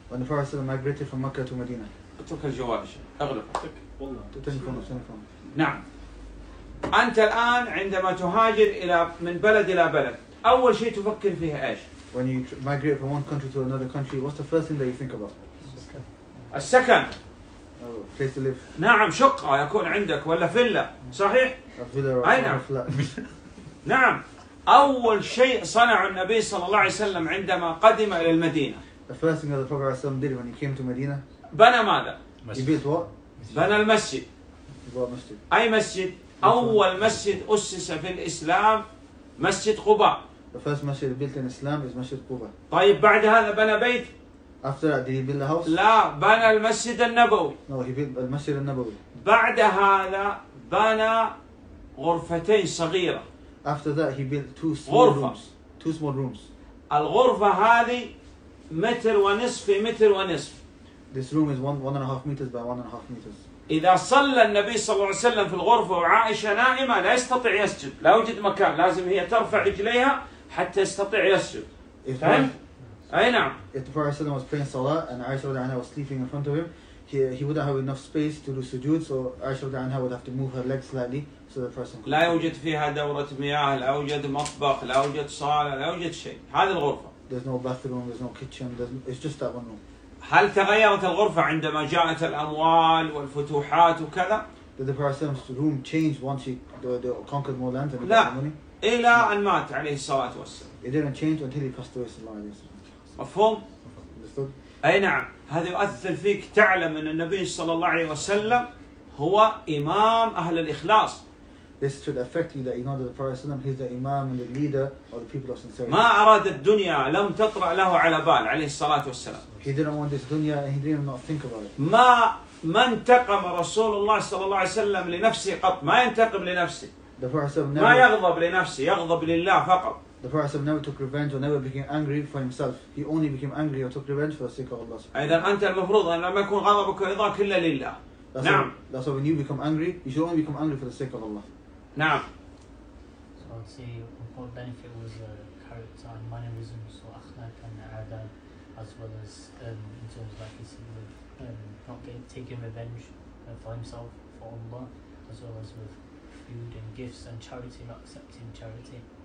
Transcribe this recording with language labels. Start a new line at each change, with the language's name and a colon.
Arabic: وأنا فاصل مايجريتي في مكة ومدينة. اترك الجوال شيء. أغلق. والله. تلفون تلفون. نعم. أنت الآن عندما تهاجر إلى من بلد إلى بلد، أول شيء تفكر فيه إيش؟
English: When you migrate from one country to another country, what's the first thing that you think about?
Arabic: السكن.
English: Place to live.
Arabic: نعم شقة يكون عندك ولا فيلا صحيح؟ فيلا. نعم. أول شيء صنع النبي صلى الله عليه وسلم عندما قدم إلى المدينة.
English: The first thing that the Prophet ﷺ did when he came to Medina.
Arabic: بنى ماذا؟
English: He built what?
Arabic: بنى المسجد. أي مسجد؟ أول مسجد أسس في الإسلام مسجد قباء.
English: The first masjid built in Islam is Masjid Quba.
Arabic: طيب بعد هذا بنى بيت.
English: After that, did he build a house?
Arabic: لا بنى المسجد النبوي.
English: No, he built the Masjid النبوي.
Arabic: بعد هذا بنى غرفتين صغيرة.
English: After that, he built two small غرفة. Rooms. Two small rooms.
Arabic: الغرفة هذه متر ونصف في متر ونصف.
English: This room is one and a half meters.
Arabic: إذا صلى النبي صلى الله عليه وسلم في الغرفة وعائشة نائمة لا يستطيع يسجد، لا يوجد مكان، لازم هي ترفع رجليها حتى يستطيع يسجد. أي نعم.
English: If the Prophet was praying salah and Aisha
Arabic: رضي الله عنها
English: was sleeping in front of him, he wouldn't have enough space to do sujood, so Aisha رضي الله عنها would have to move her legs slightly so the person.
Arabic: لا يوجد فيها دورة مياه، لا يوجد مطبخ، لا يوجد صالة، لا يوجد شيء. هذه الغرفة.
English: There's no bathroom, there's no kitchen, it's just that one room.
Arabic: هل تغيرت الغرفة عندما جاءت الأموال والفتوحات وكذا؟
English: Did the Prophet's room change once he conquered more land and got money?
Arabic: لا. إلى أن مات عليه الصلاة والسلام.
English: It didn't change until he passed away sallallahu alaihi wasallam.
Arabic: مفهوم؟
English: Understood.
Arabic: أي نعم. هذا يؤثر فيك تعلم أن النبي صلى الله عليه وسلم هو إمام أهل الإخلاص.
English: This should affect you that you know that the Prophet ﷺ, he's the Imam and the leader of the people of sincerity.
Arabic: ما أراد الدنيا لم تطرأ له على بال عليه الصلاة والسلام.
English: He didn't want this dunya and he didn't not think about it.
Arabic: ما من تقم رسول الله صلى الله عليه وسلم لنفسه قط، ما ينتقم لنفسه.
English: The Prophet ﷺ never.
Arabic: ما يغضب لنفسه، يغضب لله فقط.
English: The Prophet ﷺ never took revenge or never became angry for himself. He only became angry or took revenge for the sake of Allah.
Arabic: إذا أنت المفروض أن لم يكون غضبك رضاك إلا لله.
English: That's
Arabic: نعم.
English: So, that's why when you become angry, you should only become angry for the sake of Allah.
Arabic: نعم.
English: So I'd say important benefit was character and mannerism, so akhlaq and adab, as well as in terms of like he said, with not getting taking revenge for himself for Allah, as well as with food and gifts and charity, not accepting charity.